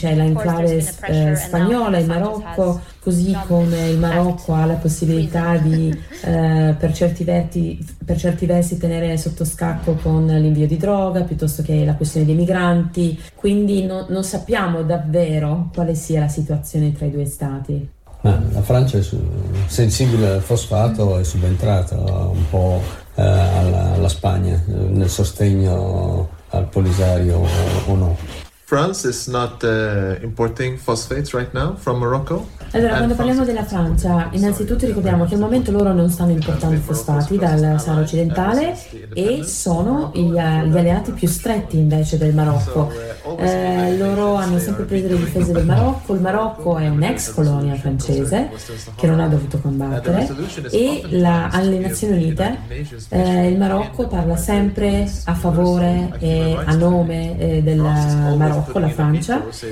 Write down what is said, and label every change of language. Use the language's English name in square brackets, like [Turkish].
[Italian] C'è la enclave spagnola in Marocco, così come il Marocco ha la possibilità di per certi versi tenere sotto scacco con l'invio di droga piuttosto che la questione dei migranti, quindi non sappiamo davvero quale sia la situazione tra i due stati. Ma la Francia è sensibile al fosfato, è subentrata un po' alla Spagna nel sostegno al Polisario o no? [English] France is not importing phosphates right now from Morocco. [Italian] Allora, quando parliamo della Francia, innanzitutto ricordiamo che al momento loro non stanno importando i fosfati dal Sahara occidentale e sono gli alleati più stretti invece del Marocco. Loro hanno sempre preso le difese del Marocco. Il Marocco è un'ex colonia francese che non ha dovuto combattere e alle Nazioni Unite il Marocco parla sempre a favore e a nome del Marocco, la Francia.